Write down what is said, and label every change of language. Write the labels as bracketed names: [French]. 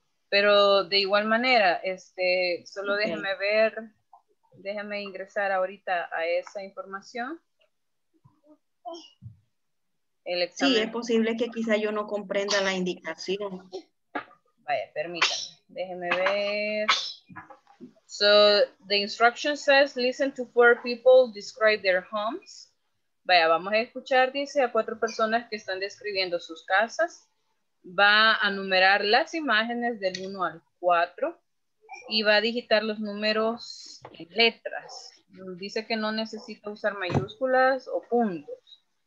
[Spanish] Pero de igual manera, solo okay. Déjame ver. Déjame ingresar ahorita a esa información. El examen. Sí, es posible que quizá yo no comprenda la indicación. Vaya, permítame. Déjeme ver. [English] So, the instruction says, listen to four people describe their homes. [Spanish] Vaya, vamos a escuchar, dice, a cuatro personas que están describiendo sus casas. Va a numerar las imágenes del 1 al 4. Y va a digitar los números en letras. Dice que no necesita usar mayúsculas o puntos.